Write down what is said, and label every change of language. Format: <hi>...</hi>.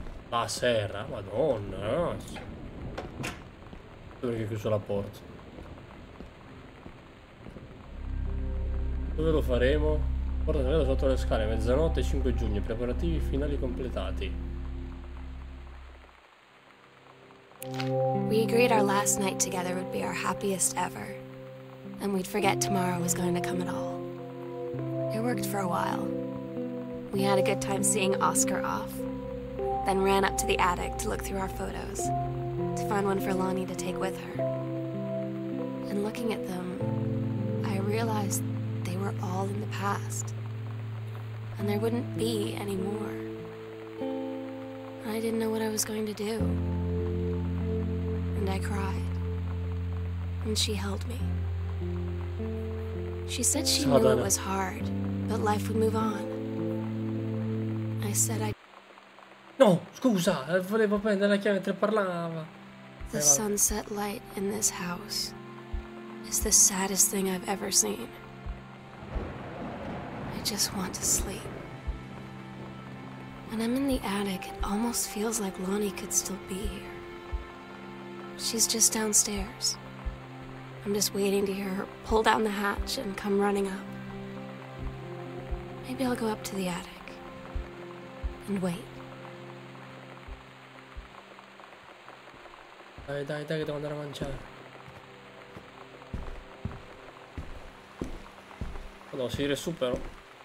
<it>La serra, madonna, perché chiuso la porta? Dove lo faremo? Porta segreta sotto le scale, mezzanotte 5 giugno, preparativi finali completati.</it> <en>We agreed our last night together would be our happiest ever. And we'd forget tomorrow was going to come at all. It worked for a while. We had a good time seeing Oscar off. Then ran up to the attic to look through our photos. To find one for Lonnie to take with her. And looking at them, I realized they were all in the past. And there wouldn't be any more. I didn't know what I was going to do. And I cried. And she held me. She said she knew it was hard, but life would move on. I said I'd...</en> <it>No, scusa, volevo prendere la chiave mentre parlava.</it> <en>The sunset light in this house is the saddest thing I've ever seen. I just want to sleep. When I'm in the attic, it almost feels like Lonnie could still be here. She's just downstairs. I'm just waiting to hear her pull down the hatch and come running up. Maybe I'll go up to the attic and wait.</en> <it>Dai, dai, dai, che devo andare a mangiare. Vado, si re supero.</it>